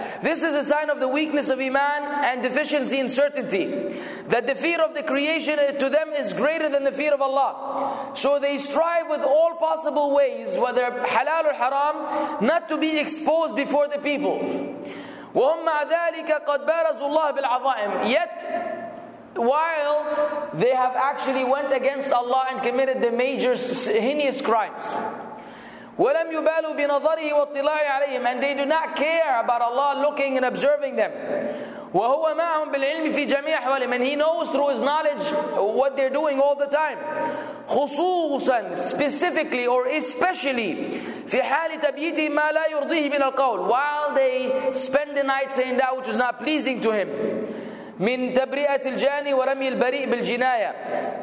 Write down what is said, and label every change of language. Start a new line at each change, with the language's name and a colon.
English: This is a sign of the weakness of iman and deficiency in certainty, that the fear of the creation to them is greater than the fear of Allah. So they strive with all possible ways, whether halal or haram, not to be exposed before the people.
Arabic: وهم مع ذلك قد بارزوا الله بالعظائم.
English: Yet while they have actually went against Allah and committed the major heinous crimes.
Arabic: وَلَمْ يُبَالُوا بِنَظَرِهِ وَاطِّلَاعِ عَلَيْهِمْ.
English: And they do not care about Allah looking and observing them.
Arabic: وَهُوَ مَعْهُمْ بِالْعِلْمِ فِي جَمِيعِ أَحْوَالِهِمْ.
English: And He knows through His knowledge what they're doing all the time.
Arabic: خُصُوصًا,
English: specifically or especially,
Arabic: فِي حَالِ تَبْيِيتِهِمْ مَا لَا يُرْضِيهِ مِنَ الْقَوْلِ.
English: While they spend the night saying that which is not pleasing to Him.
Arabic: من تبرئة الجاني ورمي البريء بالجناية.